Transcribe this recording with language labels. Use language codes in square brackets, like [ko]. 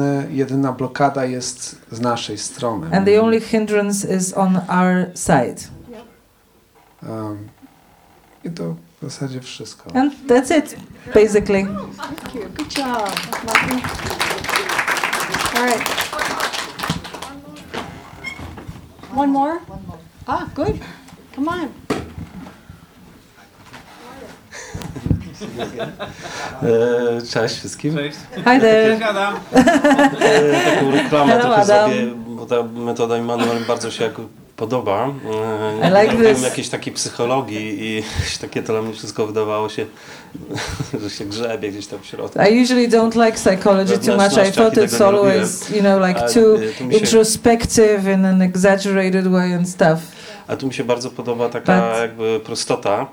[pl] Jedyna blokada jest z naszej strony. [en] And the only hindrance is on our side. [pl] I to w zasadzie wszystko. [en] And that's it, basically. Thank you. Good job. All right. One more? One more. Ah, good. Come on. [pl] Cześć wszystkim. Cześć. [en] Hi there. [pl] Cześć Adam. Taką reklamę trochę zrobię, bo ta metoda Immanuel bardzo się jako podoba. [en] I like this. [pl] Byłem jakiejś takiej psychologii i takie to dla mnie wszystko wydawało się, że się grzebie gdzieś tam w środku. [en] I usually don't like psychology too much. I thought it's always, you know, like too introspective in an exaggerated way and stuff. [pl] A tu mi się bardzo podoba taka jakby prostota.